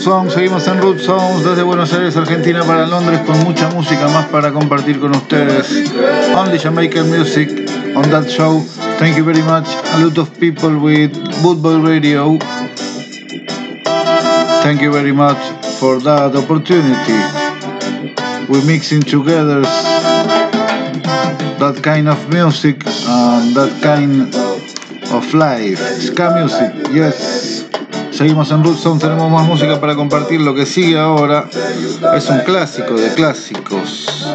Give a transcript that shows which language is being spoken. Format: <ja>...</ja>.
<es>Seguimos en Root Sounds desde Buenos Aires, Argentina, para Londres, con mucha música más para compartir con ustedes.</es> <en>Only Jamaican Music on that show. Thank you very much. A lot of people with Boot Boy Radio. Thank you very much for that opportunity. We're mixing together that kind of music and that kind of life. Ska music, yes.</en> <es>Seguimos en Root Sound, tenemos más música para compartir. Lo que sigue ahora es un clásico de clásicos.</es>